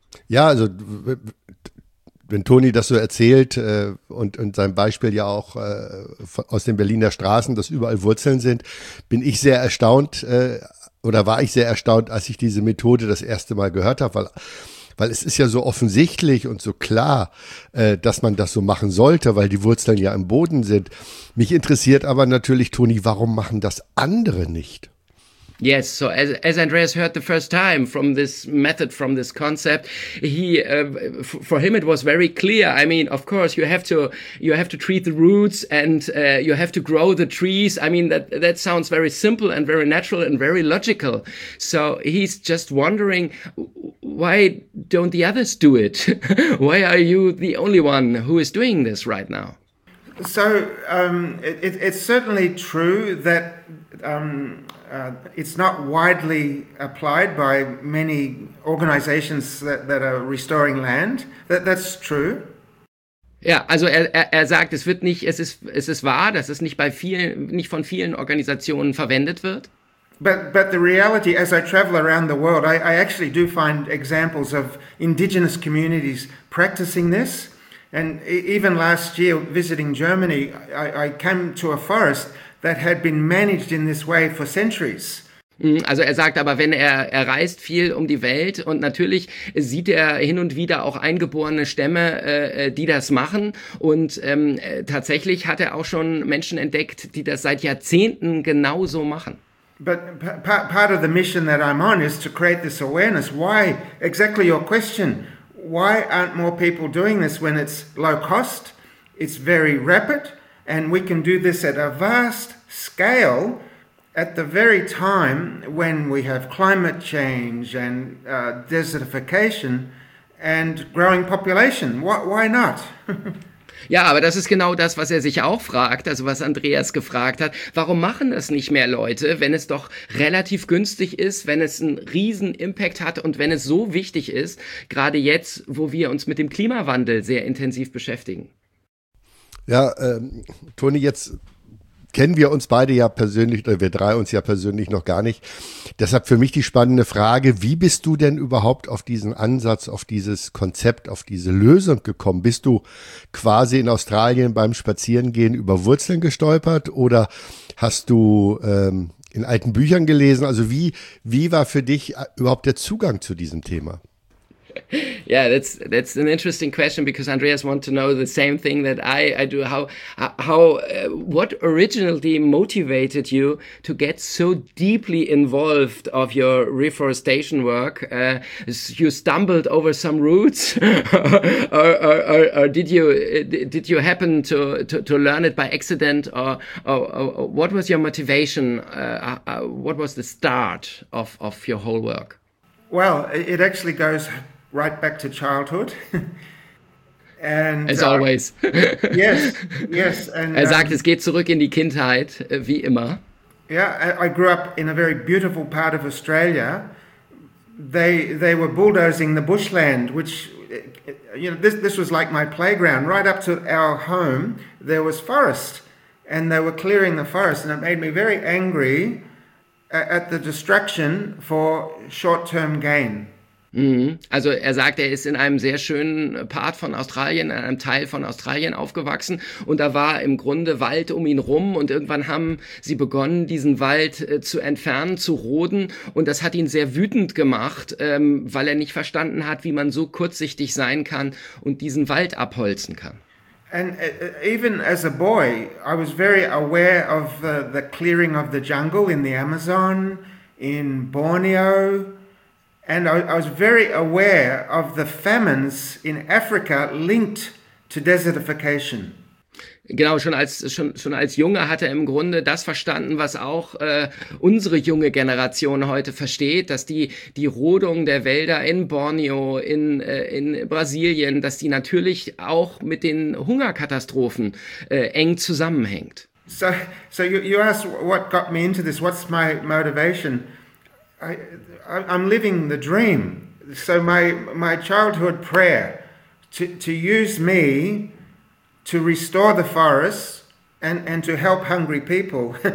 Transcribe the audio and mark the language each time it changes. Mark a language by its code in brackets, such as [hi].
[de] Ja, also wenn Toni das so erzählt und sein Beispiel ja auch aus den Berliner Straßen, dass überall Wurzeln sind, bin ich sehr erstaunt. Oder war ich sehr erstaunt, als ich diese Methode das erste Mal gehört habe, weil es ist ja so offensichtlich und so klar, dass man das so machen sollte, weil die Wurzeln ja im Boden sind. Mich interessiert aber natürlich, Toni, warum machen das andere nicht? [en] Yes, so as Andreas heard the first time from this method, from this concept, for him it was very clear. I mean, of course, you have to treat the roots and you have to grow the trees. I mean, that sounds very simple and very natural and very logical. So he's just wondering, why don't the others do it? Why are you the only one who is doing this right now? So it's certainly true that it's not widely applied by many organizations that are restoring land. That's true. [de] Ja, also er sagt, es wird nicht, es ist wahr, dass es nicht von vielen Organisationen verwendet wird. [en] But the reality, as I travel around the world, I actually do find examples of indigenous communities practicing this. And even last year, visiting Germany, I came to a forest that had been managed in this way for centuries. [de] Also er sagt aber, wenn er reist viel um die Welt und natürlich sieht er hin und wieder auch eingeborene Stämme, die das machen. Und tatsächlich hat er auch schon Menschen entdeckt, die das seit Jahrzehnten genauso machen. [en] But part of the mission that I'm on is to create this awareness. Why? Exactly your question. Why aren't more people doing this when it's low cost, it's very rapid, and we can do this at a vast scale at the very time when we have climate change and desertification and growing population? Why not? [de] Ja, aber das ist genau das, was er sich auch fragt, also was Andreas gefragt hat. Warum machen das nicht mehr Leute, wenn es doch relativ günstig ist, wenn es einen riesen Impact hat und wenn es so wichtig ist, gerade jetzt, wo wir uns mit dem Klimawandel sehr intensiv beschäftigen? Ja, Toni, jetzt kennen wir uns beide ja persönlich, oder wir drei uns ja persönlich noch gar nicht. Deshalb für mich die spannende Frage, wie bist du denn überhaupt auf diesen Ansatz, auf dieses Konzept, auf diese Lösung gekommen? Bist du quasi in Australien beim Spazierengehen über Wurzeln gestolpert oder hast du in alten Büchern gelesen? Also wie war für dich überhaupt der Zugang zu diesem Thema? [en] Yeah, that's an interesting question because Andreas wants to know the same thing that I do. How what originally motivated you to get so deeply involved of your reforestation work? You stumbled over some roots, or did you happen to learn it by accident, or what was your motivation? What was the start of your whole work? Well, it actually goes right back to childhood. And as always. yes. [de] And, er sagt, es geht zurück in die Kindheit, wie immer. [en] Yeah, I grew up in a very beautiful part of Australia. They were bulldozing the bushland, which, you know, this was like my playground. Right up to our home, there was forest, and they were clearing the forest, and it made me very angry at the destruction for short-term gain. [de] Also er sagt, er ist in einem sehr schönen Part von Australien, in einem Teil von Australien aufgewachsen und da war im Grunde Wald um ihn rum und irgendwann haben sie begonnen, diesen Wald zu entfernen, zu roden und das hat ihn sehr wütend gemacht, weil er nicht verstanden hat, wie man so kurzsichtig sein kann und diesen Wald abholzen kann. [en] And even as a boy, I was very aware of the clearing of the jungle in the Amazon, in Borneo. And I was very aware of the famines in Africa linked to desertification. [de] Genau, schon als Junge hat er im Grunde das verstanden, was auch unsere junge Generation heute versteht, dass die Rodung der Wälder in Borneo, in Brasilien, dass die natürlich auch mit den Hungerkatastrophen eng zusammenhängt. [en] So you asked what got me into this, what's my motivation? I'm living the dream. So my childhood prayer to use me to restore the forest and to help hungry people.